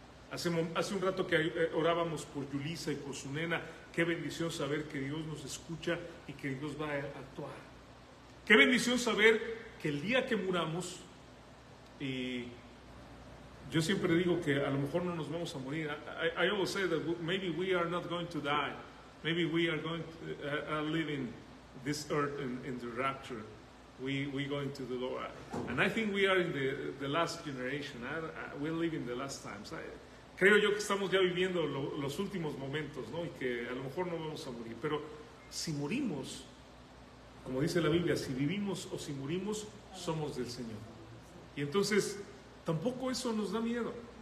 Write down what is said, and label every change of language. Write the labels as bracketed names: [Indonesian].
[Spanish] Hace un rato que orábamos por Yulisa y por su nena, qué bendición saber que Dios nos escucha y que Dios va a actuar. Qué bendición saber que el día que muramos, y yo siempre digo que a lo mejor no nos vamos a morir. [English] I always say that maybe we are not going to die. Maybe we are going to live in this earth in the rapture. We going to the Lord. And I think we are in the last generation. We're living the last times. [Spanish] Creo yo que estamos ya viviendo los últimos momentos, ¿no? Y que a lo mejor no vamos a morir. Pero si morimos, como dice la Biblia, si vivimos o si morimos, somos del Señor. Y entonces, tampoco eso nos da miedo.